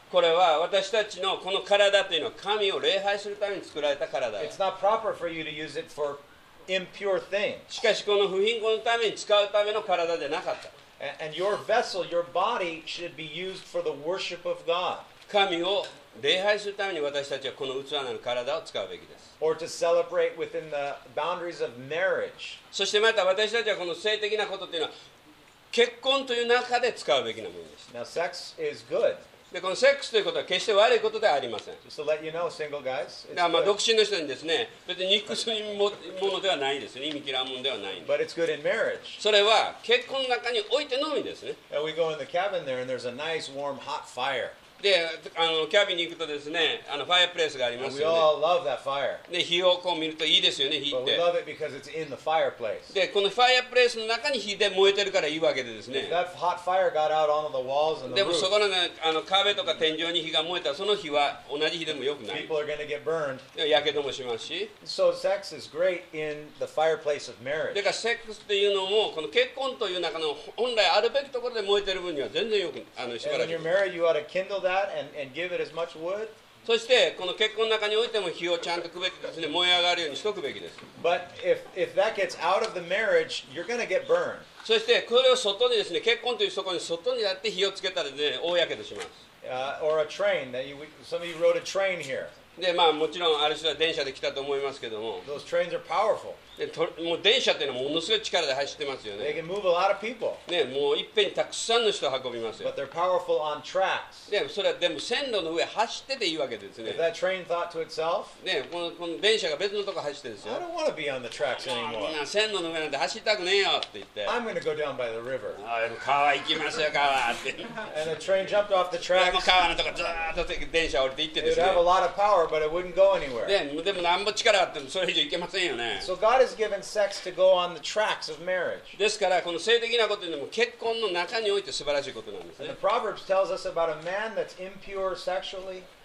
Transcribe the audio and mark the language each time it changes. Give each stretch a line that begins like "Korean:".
Japanese: これは私たちのこの体というのは神を礼拝するために作られた体。
English: It's not proper for you to use it for impure things.
Japanese: しかしこの不貧困のために使うための体でなかった。
English: And your vessel, your body, should be used for the worship of God.
Japanese: 神を礼拝するために私たちはこの器なる体を使うべきです。
English: Or to celebrate within the boundaries of marriage.
Japanese: そしてまた私たちはこの性的なことというのは結婚という中で使うべきなものです。
English: Now, sex is good.
Japanese: で、このセックスということは決して悪いことではありません。
English: Just to let you know, single guys,
Japanese: まあ独身の人にですね、別に憎すみものではないですね、意味嫌うものではないんです。
English: But it's good in marriage.
Japanese: それは結婚の中においてのみですね。
English: And we go in the cabin there, and there's a nice, warm, hot fire.
Japanese: で、あのキャビンに行くとですね、あのファイアプレイスがありますよね。
English: And we all love that fire.
Japanese: で、火をこう見るといいですよね、火って。
English: But we love it because it's in the fireplace.
Japanese: で、このファイアプレイスの中に火で燃えてるからいいわけでですね。
English: That hot fire got out onto the walls and the roof.
Japanese: でもそこの、ね、あの壁とか天井に火が燃えたその火は同じ火でもよくない。
English: People are going to get burned.
Japanese: で、やけどもしますし。
English: So sex is great in the fireplace of marriage.
Japanese: だからセックスっていうのもこの結婚という中の本来あるべきところで燃えてる分には全然よくあの素晴らしい。
English: When you're married, you ought to kindle that and give it as much wood.
Japanese: そしてこの結婚の中においても火をちゃんとくべきですね、燃え上がるようにしとくべきです。
English: But if that gets out of the marriage, you're going to get burned.
Japanese: そしてこれを外にですね、結婚というそこに外にやって火をつけたらね、大やけどします。
English: Or a train that some of you rode a train here.
Japanese: で、まあ、もちろんある人は電車で来たと思いますけども、
English: Those trains are powerful.
Japanese: でもう電車っていうのはものすごい力で走ってますよね。
English: They can move a lot of people.
Japanese: ね、もういっぺんにたくさんの人を運びますよ。
English: But they're powerful on tracks.
Japanese: で、それはでも線路の上走ってていいわけですね。
English: If that train thought to itself,
Japanese: ね、この電車が別のとこ走ってですよ。
English: I don't want to be on the tracks anymore.
Japanese: な線路の上なんて走りたくねえよって言って。
English: I'm going to go down by the river.
Japanese: あでも川行きますよ、川って。
English: And the train jumped off the tracks.
Japanese: でも川のとこずーっと電車降りて行ってですね。
English: It would have a lot of power. But it wouldn't go anywhere.
Japanese: でも何も力あってもそれ以上いけませんよね。
English: So God has given sex to go on the tracks of marriage.
Japanese: ですからこの性的なことでも結婚の中において素晴らしいことなんですね。
English: And the Proverbs tells us about a man that's impure sexually.